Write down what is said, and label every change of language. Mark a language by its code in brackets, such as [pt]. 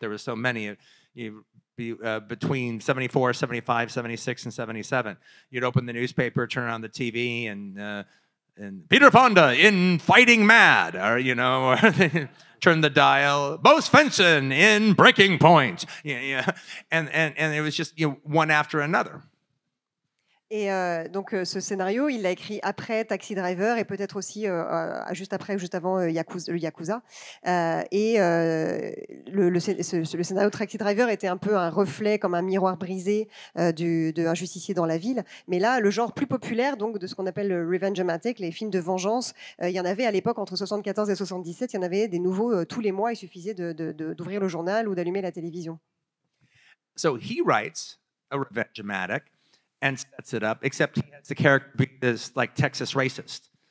[en] There were so many, between 74, 75, 76, and 77. You'd open the newspaper, turn on the TV, and Peter Fonda in Fighting Mad, or, you know, turn the dial, Bo Svenson in Breaking Point. Yeah. And it was just, you know, one after another. [fr] Et donc, ce scénario, il l'a écrit après Taxi Driver et peut-être aussi juste après ou juste avant Yakuza. Le scénario de Taxi Driver était un peu un reflet, comme un miroir brisé d'un justicier dans la ville. Mais là, le genre plus populaire, donc, de ce qu'on appelle le revenge-o-matic, les films de vengeance, il y en avait à l'époque entre 1974 et 1977. Il y en avait des nouveaux tous les mois. Il suffisait d'ouvrir le journal ou d'allumer la télévision. [en] So he writes a revenge-o-matic. And sets it up, except he has the character be this like Texas racist.